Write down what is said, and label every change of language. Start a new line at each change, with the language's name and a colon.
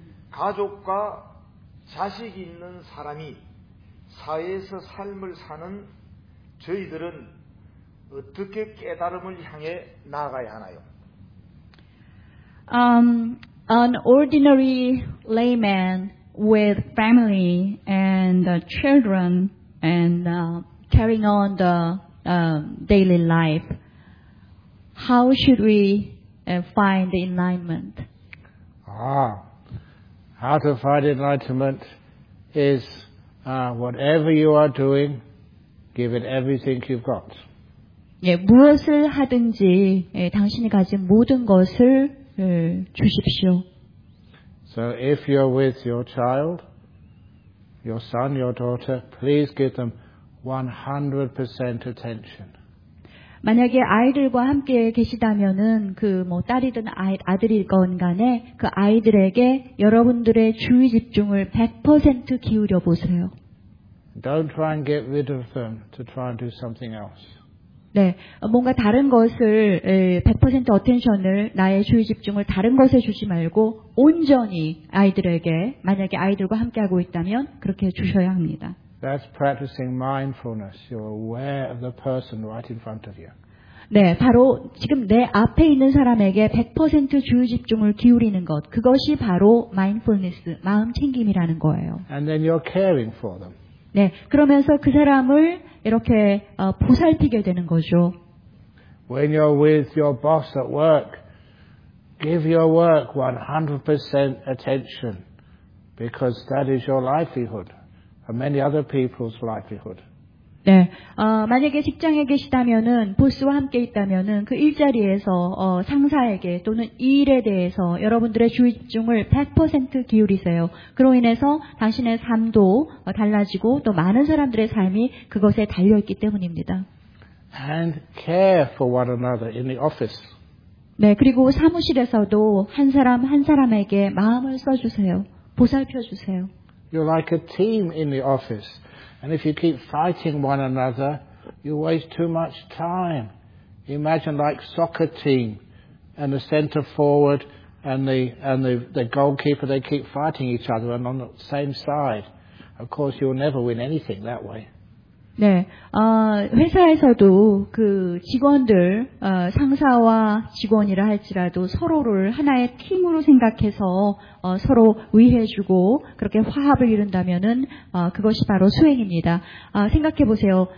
Korean: 가족과 자식이 있는 사람이 사회에서 삶을 사는 저희들은 어떻게 깨달음을 향해 나아가야 하나요?
English: An ordinary layman with family and children and carrying on the daily life, how should we find the enlightenment? How to find enlightenment is whatever you are doing, give it everything you've got.
Korean: 예, 무엇을 하든지 당신이 가진 모든 것을 주십시오.
English: So if you're with your child, your son, your daughter, please give them 100% attention.
Korean: 만약에 아이들과 함께 계시다면은 그 뭐 딸이든 아들이건 간에 그 아이들에게 여러분들의 주의 집중을 100% 기울여 보세요.
English: Don't try and get rid of them to try and do something else.
Korean: 네, 뭔가 다른 것을 100% 어텐션을 나의 주의 집중을 다른 것에 주지 말고 온전히 아이들에게 만약에 아이들과 함께하고 있다면 그렇게 주셔야 합니다.
English: That's practicing mindfulness. You're aware of the person right in front of you.
Korean: 네, 바로 지금 내 앞에 있는 사람에게 100% 주의 집중을 기울이는 것, 그것이 바로 mindfulness, 마음 챙김이라는 거예요.
English: And then you're caring for them.
Korean: 네, 그러면서 그 사람을 이렇게 보살피게 되는 거죠.
English: When you're with your boss at work, give your work 100% attention because that is your livelihood and many other people's livelihood.
Korean: 네, 만약에 직장에 계시다면은 보스와 함께 있다면은 그 일자리에서 상사에게 또는 이 일에 대해서 여러분들의 주의 집중을 100% 기울이세요. 그로 인해서 당신의 삶도 달라지고 또 많은 사람들의 삶이 그것에 달려 있기 때문입니다.
English: And care for one another in the office.
Korean: 네, 그리고 사무실에서도 한 사람 한 사람에게 마음을 써 주세요. 보살펴 주세요.
English: You're like a team in the office. And if you keep fighting one another, you waste too much time. Imagine like soccer team, and the center forward and the goalkeeper, they keep fighting each other and on the same side. Of course, you'll never win anything that way.
Korean: 네, 회사에서도 그 직원들, 상사와 직원이라 할지라도 서로를 하나의 팀으로 생각해서 서로 위해주고 그렇게 화합을 이룬다면은 그것이 바로 수행입니다. 생각해 보세요.